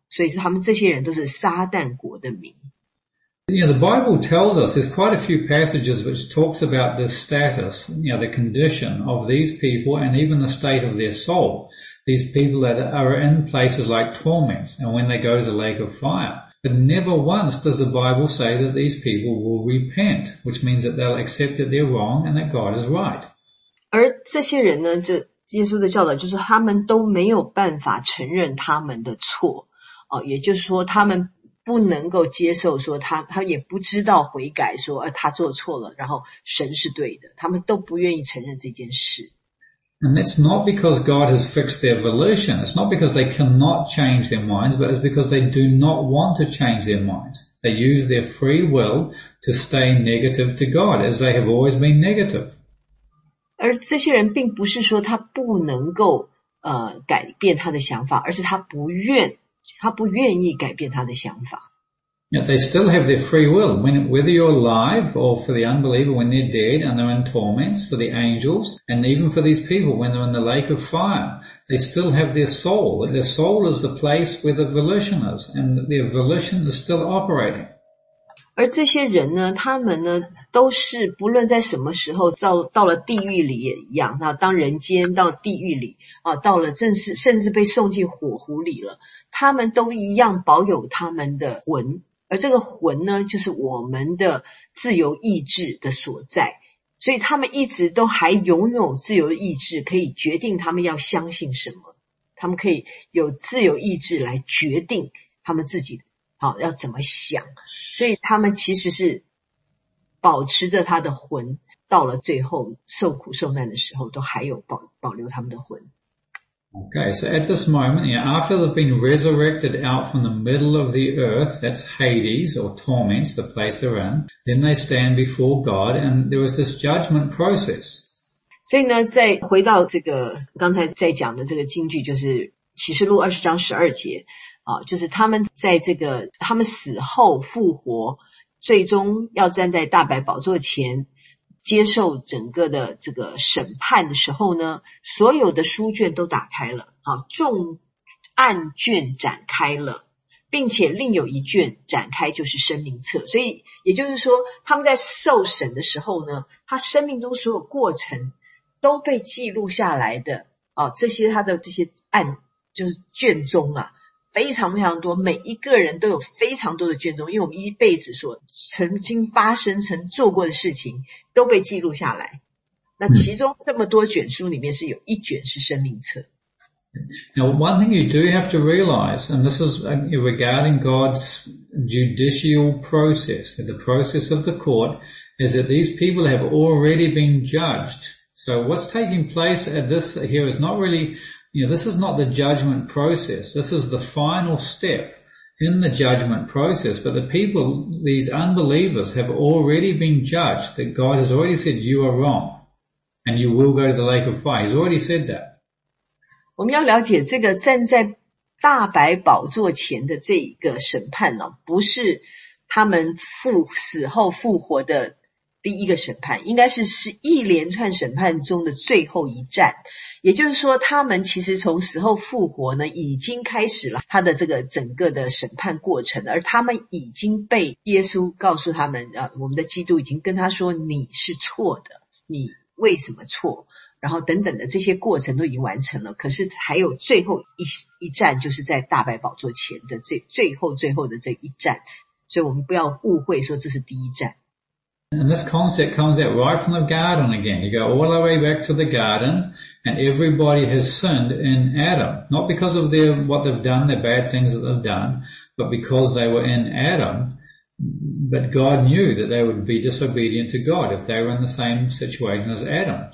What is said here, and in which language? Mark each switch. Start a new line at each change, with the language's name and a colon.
Chinese: 所以是他们这些人都是撒旦国的民。
English: You know, the Bible tells us there's quite a few passages which talks about the status, you know, the condition of these people and even the state of their soul. These people that are in places like torments and when they go to the lake of fire. But never once does the Bible say that these people will repent, which means that they'll accept that they're wrong and that God is right.
Chinese: 而这些人呢，这耶稣的教导就是他们都没有办法承认他们的错，也就是说他们不能够接受说他也不知道悔改说他做错了然后神是对的他们都不愿意承认这件事。
English: And that's not because God has fixed their volition. It's not because they cannot change their minds, but it's because they do not want to change their minds. They use their free will to stay negative to God, as they have always been negative.
Chinese: 而这些人并不是说他不能够改变他的想法而是他不愿他不愿意改变他的想法。
English: Yeah, they still have their free will. Whether you're alive or for the unbeliever when they're dead and they're in torments for the angels and even for these people when they're in the lake of fire, they still have their soul. Their soul is the place where the volition is and their volition is still operating.
Chinese: 而这些人呢他们呢都是不论在什么时候到了地狱里也一样当人间到地狱里到了甚至被送进火湖里了。他们都一样保有他们的魂而这个魂呢就是我们的自由意志的所在所以他们一直都还拥有自由意志可以决定他们要相信什么他们可以有自由意志来决定他们自己要怎么想所以他们其实是保持着他的魂到了最后受苦受难的时候都还有 保留他们的魂
English: Okay, so at this moment, you know, after they've been resurrected out from the middle of the earth, that's Hades or torments, the place they're in, then they stand before God and there was this judgment process.
Chinese: 所以呢，再回到这个刚才在讲的这个经句，就是启示录二十章十二节啊，就是他们在这个他们死后复活，最终要站在大白宝座前接受整个的这个审判的时候呢，所有的书卷都打开了啊，众案卷展开了。并且另有一卷展开，就是生命册。所以也就是说，他们在受审的时候呢，他生命中所有过程都被记录下来的啊，这些他的这些案就是卷宗啊，非常非常多，每一个人都有非常多的卷宗，因为我们一辈子所曾经发生、曾做过的事情都被记录下来。那其中这么多卷书里面，是有一卷是生命册。
English: Now, one thing you do have to realize, and this is regarding God's judicial process, the process of the court, is that these people have already been judged. So what's taking place at this here is not really, you know, this is not the judgment process. This is the final step in the judgment process. But the people, these unbelievers, have already been judged, that God has already said, you are wrong, and you will go to the lake of fire. He's already said that.
Chinese: 我们要了解这个站在大白宝座前的这一个审判、哦、不是他们死后复活的第一个审判，应该是一连串审判中的最后一站。也就是说他们其实从死后复活呢，已经开始了他的这个整个的审判过程，而他们已经被耶稣告诉他们、我们的基督已经跟他说你是错的，你为什么错，然后等等的这些过程都已经完成了，可是还有最后一站，就是在大白宝座前的最后的这一站，所以我们不要误会说这是第一站。
English: And this concept comes out right from the garden again. You go all the way back to the garden, and everybody has sinned in Adam. Not because of their, what they've done, the bad things that they've done, but because they were in Adam. But God knew that they would be disobedient to God if they were in the same situation as Adam.